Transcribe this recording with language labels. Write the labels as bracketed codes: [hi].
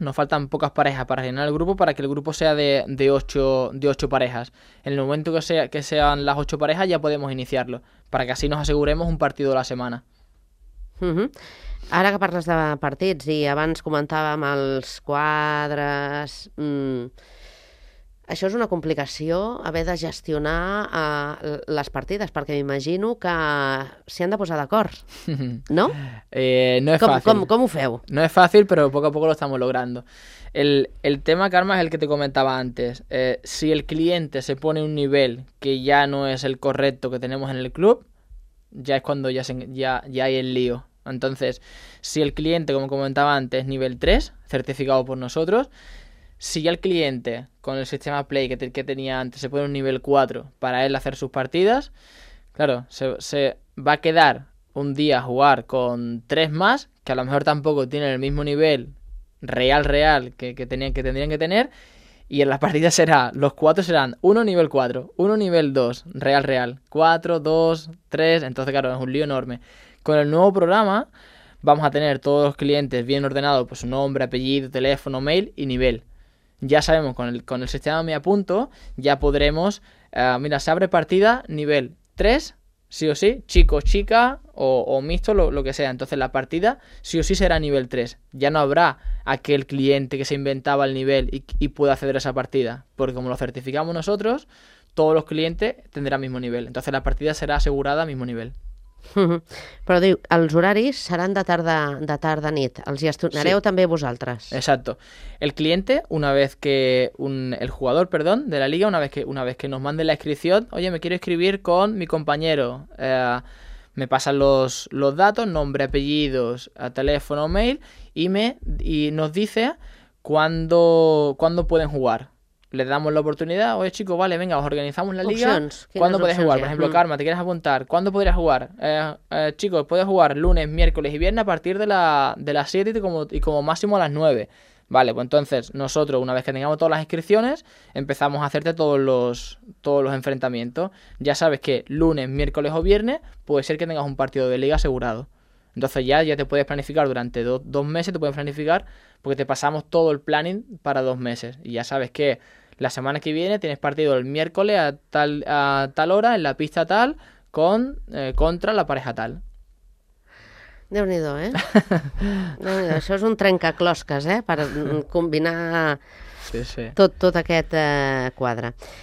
[es] Nos faltan pocas parejas para llenar el grupo, para que el grupo sea de ocho parejas. En el momento que sean las ocho parejas ya podemos iniciarlo, para que así nos aseguremos un partido a la semana. [ca] Ara que parles de partits i abans comentàvem els quadres... Això és una complicació, haver de gestionar les partides, perquè m'imagino que s'hi han de posar d'acord, no? No és fàcil. Com ho feu? No és fàcil, però a poc [es] lo estamos logrando. [ca] El tema, Carme, és el que te comentava antes. [es] Si el cliente se pone un nivel que [ca] ja no és [es] el correcto que tenemos en el club, [ca] ja és quan ja [es] hay el lío. Entonces, si el cliente, como comentaba antes, nivel 3, certificado por nosotros... Si ya el cliente, con el sistema Play que tenía antes, se pone un nivel 4 para él hacer sus partidas, claro, se va a quedar un día a jugar con 3 más, que a lo mejor tampoco tienen el mismo nivel real que tendrían que tener, y en las partidas los 4 serán 1 nivel 4, 1 nivel 2, real, 4, 2, 3, entonces claro, es un lío enorme. Con el nuevo programa vamos a tener todos los clientes bien ordenados, pues su nombre, apellido, teléfono, mail y nivel. Ya sabemos, con el sistema Me Apunto, ya podremos... mira, se abre partida nivel 3, sí o sí, chico, chica o mixto, lo que sea. Entonces la partida sí o sí será nivel 3. Ya no habrá aquel cliente que se inventaba el nivel y pueda acceder a esa partida. Porque como lo certificamos nosotros, todos los clientes tendrán mismo nivel. Entonces la partida será asegurada a mismo nivel. [ca] Però diu, els horaris seran de tarda a nit, els gestionareu sí. També vosaltres. [es] Exacto. El cliente, una vez que el jugador, perdón, de la liga, una vez que nos mande la inscripción, oye, me quiero inscribir con mi compañero, me pasan los datos, nombre, apellidos, teléfono, mail, y nos dice cuándo pueden jugar. Le damos la oportunidad, oye chicos, vale, venga, os organizamos la liga. ¿Cuándo puedes jugar? Por ejemplo, Karma, ¿te quieres apuntar? ¿Cuándo podrías jugar? Chicos, puedes jugar lunes, miércoles y viernes a partir de las 7 y como máximo a las 9. Vale, pues entonces nosotros, una vez que tengamos todas las inscripciones, empezamos a hacerte todos los enfrentamientos. Ya sabes que lunes, miércoles o viernes puede ser que tengas un partido de liga asegurado. Entonces ya te puedes planificar durante dos meses, te puedes planificar porque te pasamos todo el planning para 2 meses. Y ya sabes que la semana que viene tienes partido el miércoles a tal hora en la pista tal contra la pareja tal. [ca] Déu-n'hi-do, ¿eh? Déu-n'hi-do. Això és un trencaclosques, ¿eh? Per combinar tot aquest quadre.